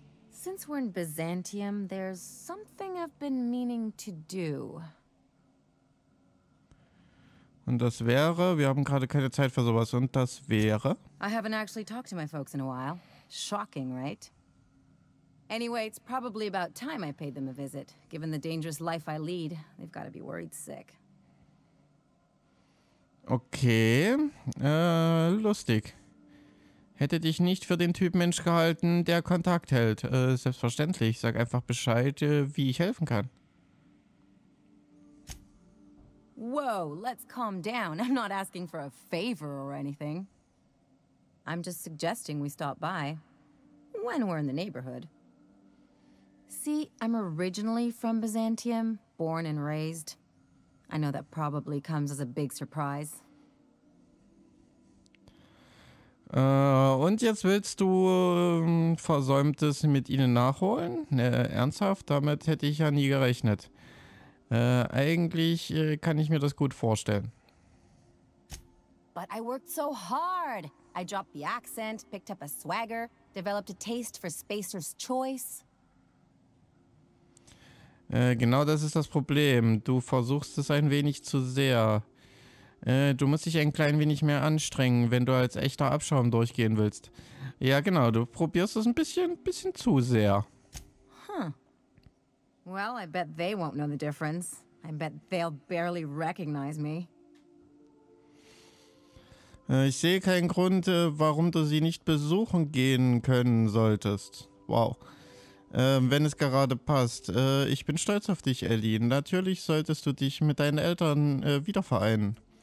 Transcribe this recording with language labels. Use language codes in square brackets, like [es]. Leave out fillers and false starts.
[en] Since we're in Byzantium, there's something I've been meaning to do. [de] Und das wäre, wir haben gerade keine Zeit für sowas, und das wäre... [en] I haven't actually talked to my folks in a while. Shocking, right? Anyway, it's probably about time I paid them a visit. Given the dangerous life I lead, they've got to be worried sick. [de] Okay, lustig. Hätte dich nicht für den Typ Mensch gehalten, der Kontakt hält. Selbstverständlich, sag einfach Bescheid, wie ich helfen kann. [en] Whoa, let's calm down. I'm not asking for a favor or anything. I'm just suggesting we stop by. When we're in the neighborhood. See, I'm originally from Byzantium, born and raised. I know that probably comes as a big surprise. [de] Und jetzt willst du Versäumtes mit ihnen nachholen? Ernsthaft? Damit hätte ich ja nie gerechnet. Eigentlich kann ich mir das gut vorstellen. [en] But I worked so hard. I dropped the accent, picked up a swagger, developed a taste for spacer's choice. [de] Genau das ist das Problem. Du versuchst es ein wenig zu sehr. Du musst dich ein klein wenig mehr anstrengen, wenn du als echter Abschaum durchgehen willst. Ja, genau, du probierst es ein bisschen zu sehr. [en] Well, I bet they won't know the difference. I bet they'll barely recognize me. [de] Ich sehe keinen Grund, warum du sie nicht besuchen gehen können solltest. Wow. Wenn es gerade passt. Ich bin stolz auf dich, Ellie. Natürlich solltest du dich mit deinen Eltern wieder vereinen.